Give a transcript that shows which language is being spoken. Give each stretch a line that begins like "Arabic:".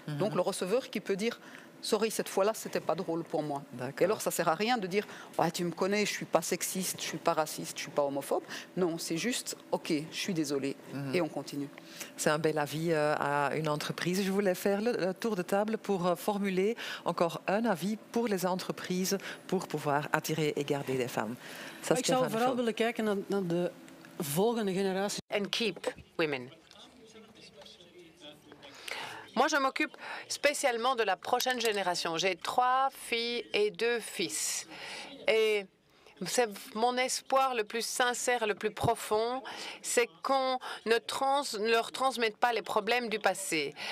French: Donc le receveur qui peut dire « Sorry, cette fois-là, ce n'était pas drôle pour moi. » Et alors, ça ne sert à rien de dire ouais, « Tu me connais, je ne suis pas sexiste, je ne suis pas raciste, je ne suis pas homophobe. » Non, c'est juste « Ok, je suis désolé. » Et on continue. C'est un bel avis à une entreprise. Je voulais faire le tour de table pour formuler encore un avis pour les entreprises pour pouvoir attirer et garder des femmes.
Dutch: Ik zou vooral willen kijken naar de volgende generatie.
English: And keep women.
French: Moi, je m'occupe spécialement de la prochaine génération. J'ai 3 filles et 2 fils. Et c'est mon espoir le plus sincère, le plus profond, c'est qu'on ne leur transmette pas les problèmes du passé.